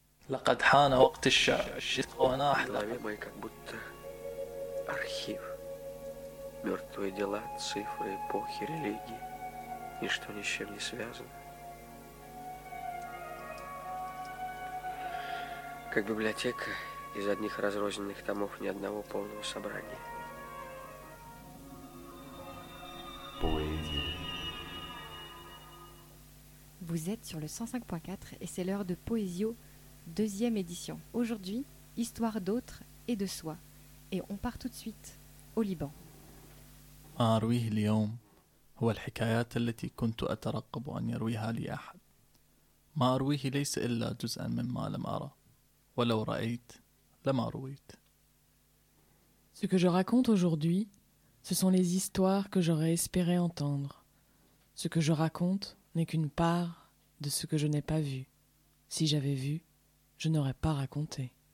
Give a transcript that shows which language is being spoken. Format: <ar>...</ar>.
<ar>لقد حان وقت الشعر، الشتاء وانا احلق.</ar> <ru>Архив. Мертвые дела, цифры, эпохи, религии. Ничто ни с чем не связано. Как библиотека из одних разрозненных томов ни одного полного собрания. Поэзия.</ru> <fr>Vous êtes sur le 105.4 et c'est l'heure de Poésio, deuxième édition. Aujourd'hui, histoire d'autres et de soi. Et on part tout de suite au Liban.</fr> <ar>أرويه اليوم هو الحكايات التي كنت أترقب أن يرويها لي أحد. ما أرويه ليس إلا جزءا مما لم أرى. ولو رأيت لما رويت.</ar> <fr>Ce que je raconte aujourd'hui, ce sont les histoires que j'aurais espéré entendre. Ce que je raconte n'est qu'une part de ce que je n'ai pas vu. Si j'avais vu, je n'aurais pas raconté.</fr>